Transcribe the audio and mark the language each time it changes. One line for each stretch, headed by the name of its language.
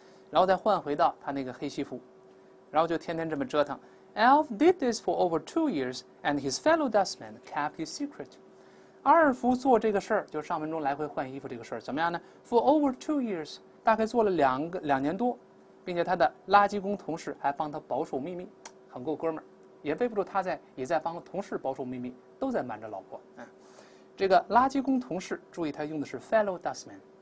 Chinese: 然后再换回到他那个黑西服，然后就天天这么折腾。
English: Alf did this for over 2 years, and his fellow dustman kept his secret.
Chinese: 阿尔夫做这个事儿，就上门钟来回换衣服这个事儿，怎么样呢？ For over 2 years，大概做了2年多，并且他的垃圾工同事还帮他保守秘密，很够哥们儿，也背不住他在，也在帮同事保守秘密，都在瞒着老婆。嗯，这个垃圾工同事，注意他用的是 fellow dustman。